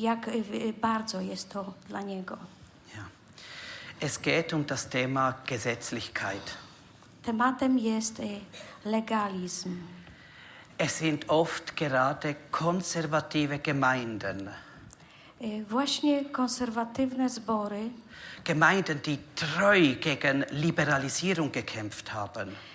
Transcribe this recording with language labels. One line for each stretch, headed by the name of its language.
Polish: jak bardzo jest to dla niego.
German: Ja. Es geht um das Thema Gesetzlichkeit.
Polish: Tematem jest legalizm.
German: Es sind oft gerade konservative Gemeinden.
Polish: Właśnie konserwatywne zbory.
German: Gemeinden, die treu gegen Liberalisierung gekämpft haben.